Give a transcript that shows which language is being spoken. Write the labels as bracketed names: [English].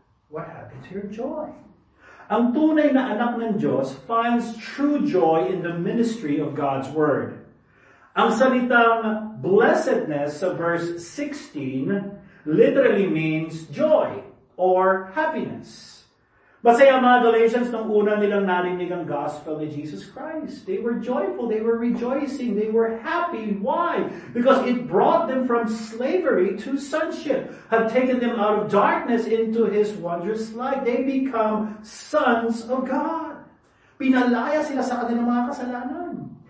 [English] What happened to your joy? [Filipino] Ang tunay na anak ng Diyos [English] finds true joy in the ministry of God's Word. [Filipino] Ang salitang [English] blessedness of verse 16 literally means joy or happiness. [Filipino] Masaya mga Galatians nung una nilang narinig ang gospel ni Jesus Christ. [English] They were joyful, they were rejoicing, they were happy. Why? Because it brought them from slavery to sonship, had taken them out of darkness into His wondrous light. They become sons of God. [Filipino] Pinalaya sila sa kanilang mga kasalanan.